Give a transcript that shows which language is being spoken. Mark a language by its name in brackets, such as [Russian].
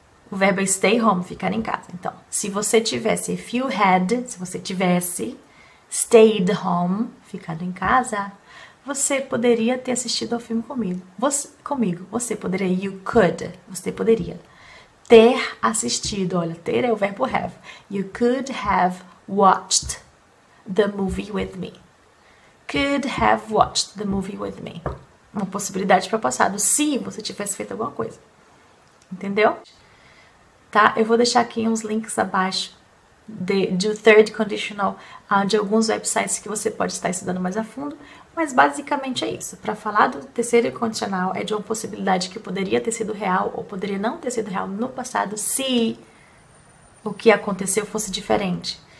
[Portuguese] O verbo é stay home, ficar em casa. Então, se você tivesse, [English] if you had, [Portuguese] se você tivesse stayed home, ficado em casa, você poderia ter assistido ao filme comigo. Você poderia, [English] you could, [Portuguese] você poderia ter assistido. Olha, ter é o verbo have. [English] You could have watched the movie with me. Could have watched the movie with me. [Portuguese] Uma possibilidade para o passado, se você tivesse feito alguma coisa. Entendeu? Tá? Eu vou deixar aqui uns links abaixo do third conditional, de alguns websites que você pode estar estudando mais a fundo. Mas basicamente é isso. Para falar do terceiro condicional, é de uma possibilidade que poderia ter sido real ou poderia não ter sido real no passado se o que aconteceu fosse diferente.